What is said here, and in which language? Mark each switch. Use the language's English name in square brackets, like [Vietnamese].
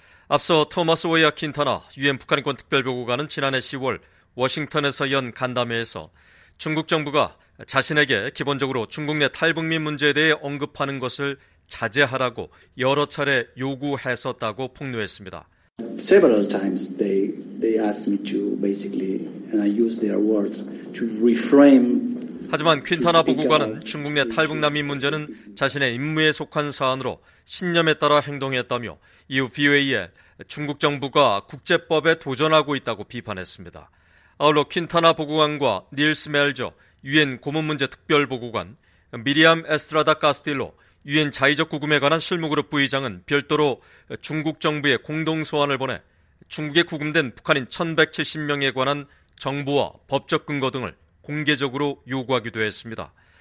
[Korean] 앞서 토마스 오야 킨타나 유엔 북한인권 특별보고관은 지난해 10월 워싱턴에서 연 간담회에서 중국 정부가 자신에게 기본적으로 중국 내 탈북민 문제에 대해 언급하는 것을 자제하라고 여러 차례 요구했었다고 폭로했습니다. [English] Several times they asked me to basically and I used their words to reframe. [Korean] 하지만 퀸타나 보고관은 중국 내 탈북 난민 문제는 자신의 임무에 속한 사안으로 신념에 따라 행동했다며 이후 VOA에 중국 정부가 국제법에 도전하고 있다고 비판했습니다. 아울러 퀸타나 보고관과 닐스 멜저 유엔 고문 문제 특별 보고관, 미리암 에스트라다 카스틸로 유엔 자의적 구금에 관한 실무그룹 부의장은 별도로 중국 정부에 공동소환을 보내 중국에 구금된 북한인 1170명에 관한 정보와 법적 근거 등을 공개적으로 요구하기도 했습니다.